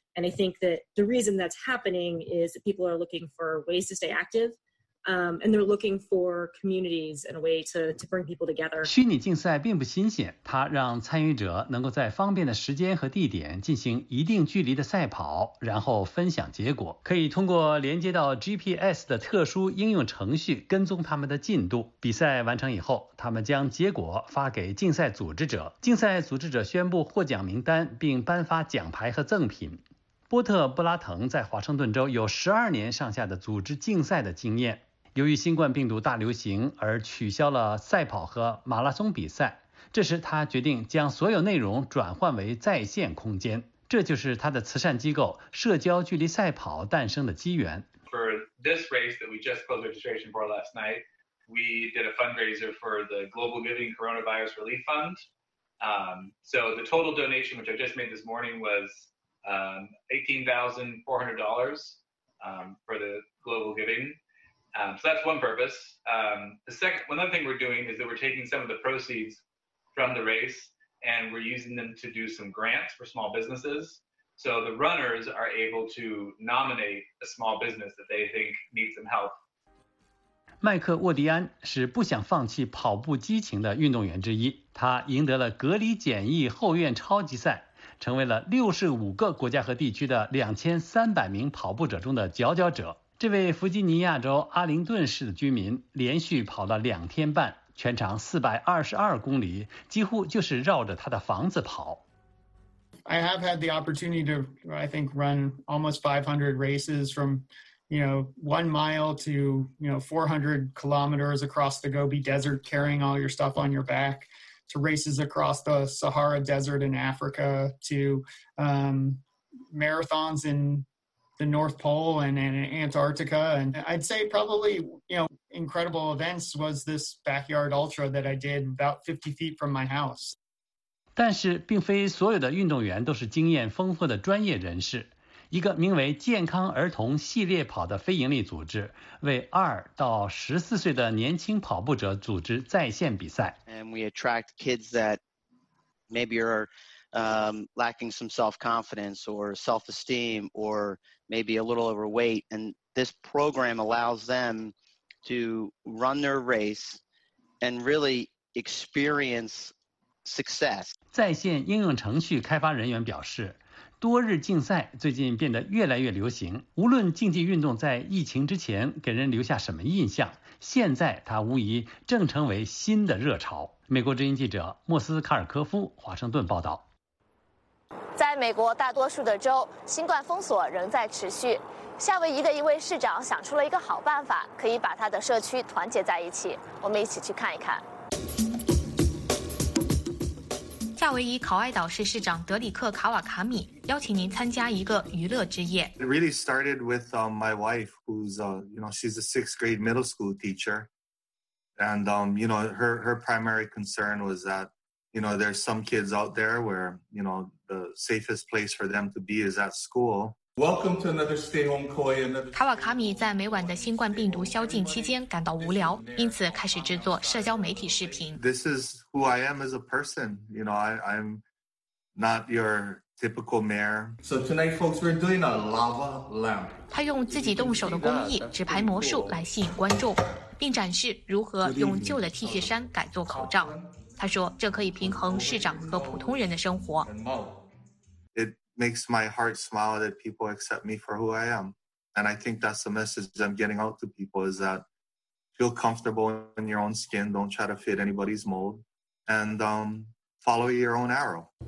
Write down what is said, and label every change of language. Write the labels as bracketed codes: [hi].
[en] And I think that the reason that's happening is that people are looking for ways to stay active, and they're looking for communities and a way to bring people together. [zh] 虚拟竞赛并不新鲜，它让参与者能够在方便的时间和地点进行一定距离的赛跑，然后分享结果，可以通过连接到 GPS 的特殊应用程序跟踪他们的进度。比赛完成以后，他们将结果发给竞赛组织者，竞赛组织者宣布获奖名单，并颁发奖牌和赠品。波特·布拉滕在华盛顿州有12年上下的组织竞赛的经验，由于新冠病毒大流行而取消了赛跑和马拉松比赛，这时他决定将所有内容转换为在线空间，这就是他的慈善机构社交距离赛跑诞生的机缘。 [en] For this race that we just closed registration for last night, we did a fundraiser for the Global Giving Coronavirus Relief Fund. So the total donation, which I just made this morning, was$18,400 for the global giving. So that's one purpose. Another thing we're doing is that we're taking some of the proceeds from the race and we're using them to do some grants for small businesses. So the runners are able to nominate a small business that they think needs some help. [zh] 麦克·沃迪安是不想放弃跑步激情的运动员之一，他赢得了隔离检疫后院超级赛，成为了65个国家和地区的2300名跑步者中的佼佼者。这位弗吉尼亚州阿灵顿市的居民连续跑了两天半，全长422公里，几乎就是绕着他的房子跑。 [en] I have had the opportunity to, I think, run almost 500 races from, you know, 1 mile to, you know, 400 kilometers across the Gobi Desert, carrying all your stuff on your back. To races across the Sahara Desert in Africa, to marathons in the North Pole and Antarctica. And I'd say probably, you know, incredible events was this backyard ultra that I did about 50 feet from my house. [zh] 但是并非所有的运动员都是经验丰富的专业人士。一个名为健康儿童系列跑的非营利组织为2到14岁的年轻跑步者组织在线比赛。 [en] And we attract kids that maybe are lacking some self-confidence or self-esteem or maybe a little overweight. And this program allows them to run their race and really experience success. [zh] 在线应用程序开发人员表示，多日竞赛最近变得越来越流行，无论竞技运动在疫情之前给人留下什么印象，现在它无疑正成为新的热潮。美国之音记者莫斯卡尔科夫华盛顿报道。在美国大多数的州，新冠封锁仍在持续，夏威夷的一位市长想出了一个好办法，可以把他的社区团结在一起，我们一起去看一看。夏威夷考爱岛市市长德里克·卡瓦卡米邀请您参加一个娱乐之夜。 [en] It really started with my wife, who's she's a sixth grade middle school teacher, and her primary concern was that there's some kids out there where the safest place for them to be is at school. Welcome to another stay home koi. [zh] 卡瓦卡米在每晚的新冠病毒宵禁期间感到无聊，因此开始制作社交媒体视频。 [en] This is who I am as a person. You know, I'm not your typical mayor. So tonight, folks, we're doing a lava lamp. [zh] 他用自己动手的工艺纸牌魔术来吸引观众，并展示如何用旧的 T 恤衫改做口罩。他说，这可以平衡市长和普通人的生活。 [en] Makes my heart smile that people accept me for who I am. And I think that's the message I'm getting out to people is that feel comfortable in your own skin, don't try to fit anybody's mold, and follow your own arrow.